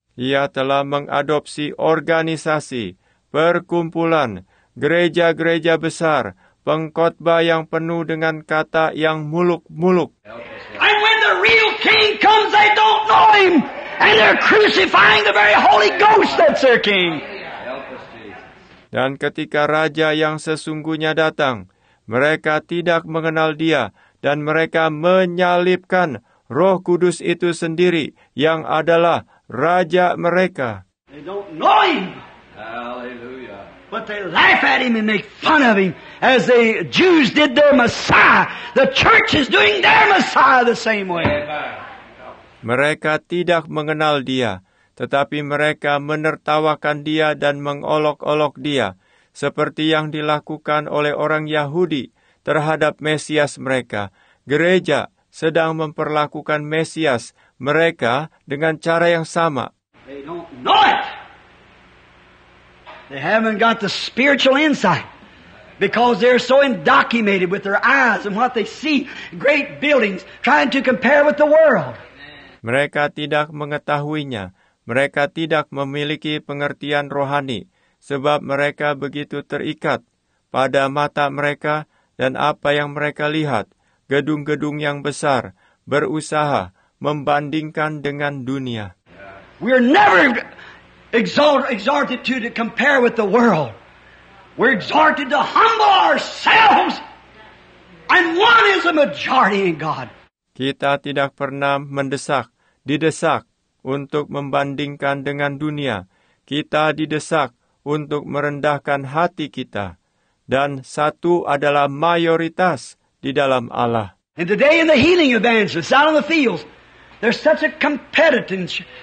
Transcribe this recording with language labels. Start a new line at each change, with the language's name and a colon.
Indonesian: Ia telah mengadopsi organisasi, perkumpulan, gereja-gereja besar, pengkhotbah yang penuh dengan kata yang muluk-muluk.
English: And when the real king comes, they don't know him. And they're crucifying the very Holy Ghost that's their king.
Indonesian: Dan ketika raja yang sesungguhnya datang, mereka tidak mengenal dia, dan mereka menyalibkan Roh Kudus itu sendiri, yang adalah raja mereka.
English: They don't know him. Hallelujah. But they laugh at him and make fun of him, as the Jews did their Messiah. The church is doing their Messiah the same way.
Indonesian: Mereka tidak mengenal dia, tetapi mereka menertawakan dia dan mengolok-olok dia, seperti yang dilakukan oleh orang Yahudi terhadap Mesias mereka. Gereja sedang memperlakukan Mesias mereka dengan cara yang sama.
English: They don't know it. They haven't got the spiritual insight. Because they're so indoctrinated with their eyes and what they see. Great buildings trying to compare with the world.
Indonesian: Mereka tidak mengetahuinya. Mereka tidak memiliki pengertian rohani. Sebab mereka begitu terikat pada mata mereka dan apa yang mereka lihat. Gedung-gedung yang besar berusaha membandingkan dengan dunia.
English: We're never exhorted to compare with the world. We're exhorted to humble ourselves. And one is a majority in God.
Indonesian: Kita tidak pernah mendesak, didesak untuk membandingkan dengan dunia. Kita didesak untuk merendahkan hati kita. Dan satu adalah mayoritas di dalam Allah.
English: And today in the healing evangelists out on the fields, there's such a competitors.